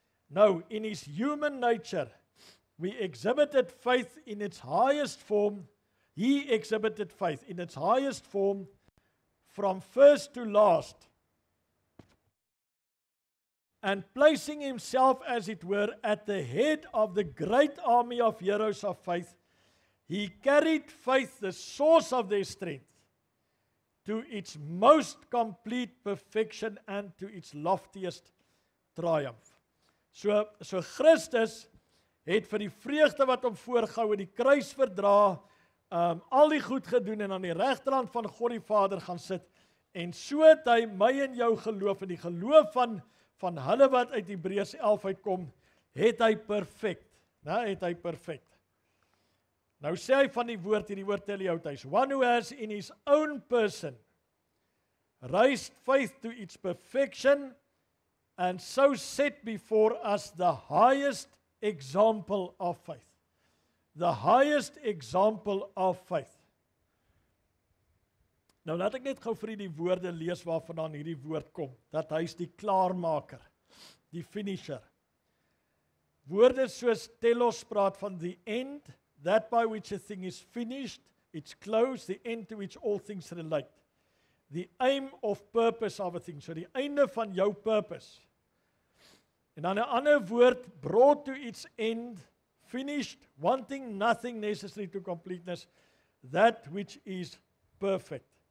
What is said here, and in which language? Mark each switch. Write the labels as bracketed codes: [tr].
[en] Nou, in his human nature, we exhibited faith in its highest form, he exhibited faith in its highest form, from first to last, and placing himself, as it were, at the head of the great army of heroes of faith, he carried faith, the source of their strength, to its most complete perfection and to its loftiest triumph. [af] So Christus het vir die vreugde wat hom voorgehou het, die kruis verdra, al die goed gedoen en aan die regterhand van God die Vader gaan sit, en so het hy my en jou geloof en die geloof van hulle wat uit Hebreërs 11 uitkom, het hy perfect. Na, het hy perfect. Nou sê hy van die woord teleoutes, [en] one who has in his own person raised faith to its perfection and so set before us the highest example of faith. The highest example of faith. [af] Nou laat ek net gauw vir die woorde lees waarvan aan hierdie woord kom, dat hy is die klaarmaker, die finisher. Woorde soos telos praat van [en] the end, that by which a thing is finished, it's closed, the end to which all things relate. The aim of purpose of a thing, [af] so die einde van jou [en] purpose. [af] En dan 'n ander woord, [en] brought to its end, finished, wanting nothing necessary to completeness, that which is perfect.